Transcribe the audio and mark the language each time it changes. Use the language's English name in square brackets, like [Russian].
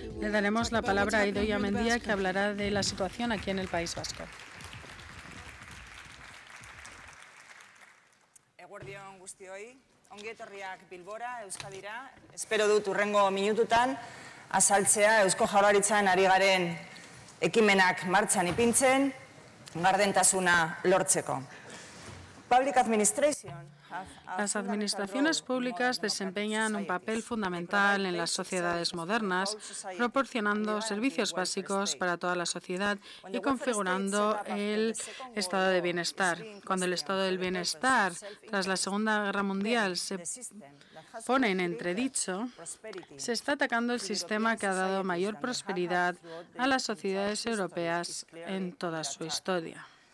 [Spanish] Le daremos la palabra a Idoia Mendia, que hablará de la situación aquí en el País Vasco. [Basque] Eguerdion guztioi, ongi etorriak Bilbora, Euskadira. Espero dut urrengo minututan azaltzea Eusko Jaurlaritzan ari garen ekimenak martxan ipintzen, gardentasuna lortzeko. [English] Public Administration. [Spanish] Las administraciones públicas desempeñan un papel fundamental en las sociedades modernas, proporcionando servicios básicos para toda la sociedad y configurando el estado de bienestar. Cuando el estado del bienestar, tras la Segunda Guerra Mundial, se pone en entredicho, se está atacando el sistema que ha dado mayor prosperidad a las sociedades europeas en toda su historia.